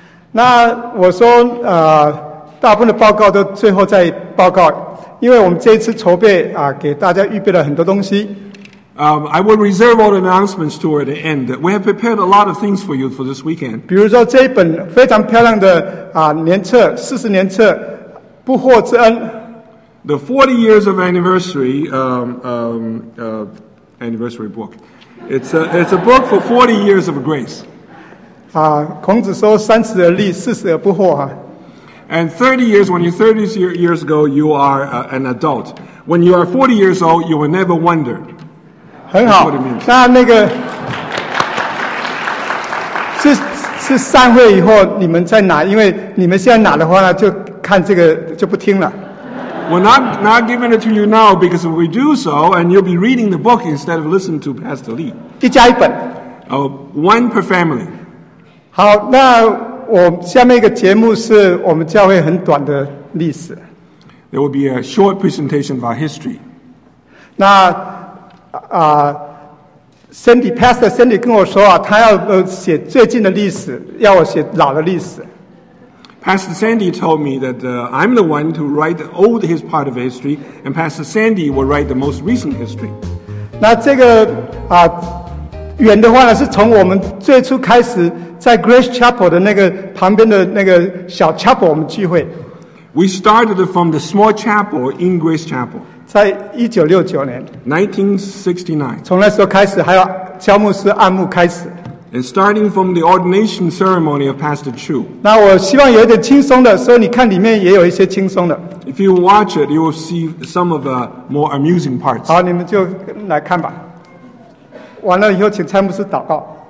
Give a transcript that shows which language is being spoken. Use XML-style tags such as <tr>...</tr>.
<zh>那我说大部分的报告都最后再报告，因为我们这一次筹备给大家预备了很多东西。</zh> <en>I will reserve all the announcements toward the end. We have prepared a lot of things for you for this weekend.</en> <zh>比如说这一本非常漂亮的年册，四十年册，不惑之恩。</zh> <en>The 40 years of anniversary, anniversary book. It's a book for 40 years of grace.</en> <zh>孔子说三十而立，四十而不惑啊。</zh> <en>And 30 years, when you're 30 years ago, you are an adult. When you are 40 years old, you will never wonder.</en> <zh>很好，那那个是散会以后你们在哪？因为你们现在哪的话呢，就看这个就不听了。</zh> <en>We're not giving it to you now because if we do so, and you'll be reading the book instead of listening to Pastor Lee.</en> <zh>一家一本。</zh> <en>One per family.</en> <zh>好，那我下面一个节目是我们教会很短的历史。</zh> <en>There will be a short presentation of our history.</en> <zh>那Cindy, Pastor Cindy 跟我说啊，他要写最近的历史，要我写老的历史。</zh> <en>Pastor Sandy told me that I'm the one to write the old his part of history, and Pastor Sandy will write the most recent history.</en> <zh>那这个远的话呢，是从我们最初开始在 Grace Chapel 的那个旁边的那个小 chapel 我们聚会。</zh> <en>We started from the small chapel in Grace Chapel.</en> <zh>在1969年。</zh> <en>1969.</en> <zh>从那时候开始，还有乔牧师按牧开始。</zh> <en>And starting from the ordination ceremony of Pastor Chu.</en> <zh>那我希望有一点轻松的，所以你看里面也有一些轻松的。</zh> <en>If you watch it, you will see some of the more amusing parts.</en> <zh>好，你们就来看吧。完了以后，请蔡牧师祷告。</zh>